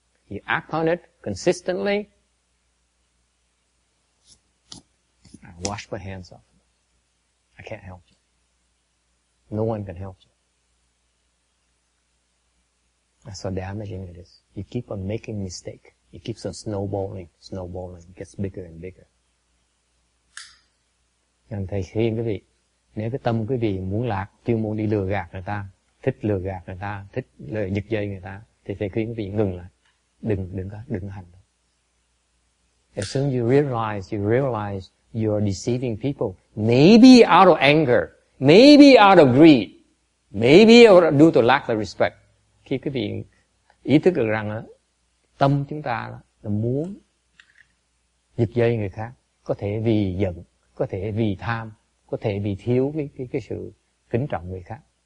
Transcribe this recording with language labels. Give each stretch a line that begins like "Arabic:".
English: You act on it consistently, I wash my hands off. I can't help you. No one can help you. That's how damaging it is. You keep on making mistakes. It keeps on snowballing. It gets bigger and bigger.
Vietnamese: Nên thầy khuyên quý vị, nếu cái tâm quý vị muốn lạc, chuyên môn đi lừa gạt người ta, thích lừa gạt người ta, thích giật dây người ta, thì thầy khuyên quý vị ngừng lại. Đừng hành.
English: As soon as you realize you are deceiving people, maybe out of anger, maybe out of greed, maybe due to lack of respect.
Vietnamese: Khi quý vị ý thức được rằng tâm chúng ta là muốn giật dây người khác, có thể vì giận, có thể vì tham, có thể vì thiếu cái sự kính trọng người khác.